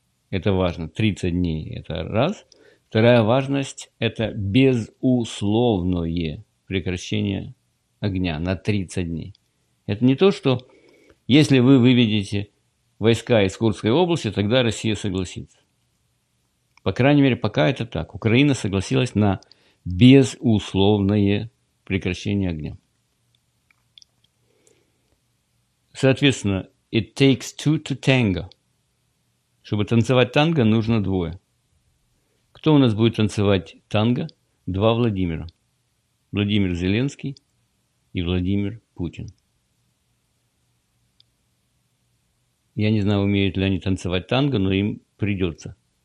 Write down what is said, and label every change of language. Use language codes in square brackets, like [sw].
[ru] Это важно, 30 дней – это раз. Вторая важность – это безусловное прекращение огня на 30 дней. Это не то, что если вы выведете войска из Курской области, тогда Россия согласится. По крайней мере, пока это так. Украина согласилась на безусловное прекращение огня. Соответственно, [en] it takes two to tango. [ru] Чтобы танцевать танго, нужно двое. Кто у нас будет танцевать танго? Два Владимира. Владимир Зеленский и Владимир Путин. Я не знаю, умеют ли они танцевать танго, но им придется.